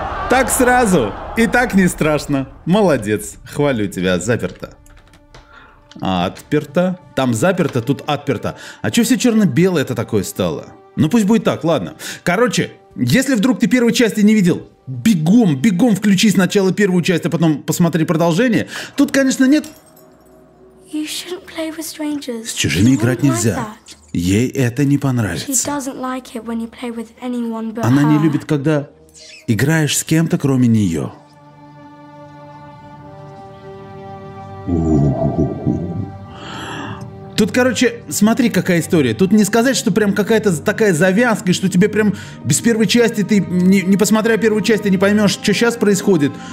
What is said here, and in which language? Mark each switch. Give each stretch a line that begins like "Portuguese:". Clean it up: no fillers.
Russian: Так сразу и так не страшно. Молодец, хвалю тебя, заперто. Отперто? Там заперто, тут отперто. А что все черно-белое это такое стало? Ну пусть будет так, ладно. Короче, если вдруг ты первой части не видел, бегом, бегом включи сначала первую часть, а потом посмотри продолжение. Тут, конечно, нет...
English: You shouldn't play with strangers.
Russian: С чужими играть нельзя. Ей это не понравится.
English: She doesn't like it when you play with anyone but her.
Russian: Она не любит, когда играешь с кем-то, кроме нее. Тут, короче, смотри, какая история. Тут не сказать, что прям какая-то такая завязка, что тебе прям без первой части, ты не посмотря первую часть, ты не поймешь, что сейчас происходит.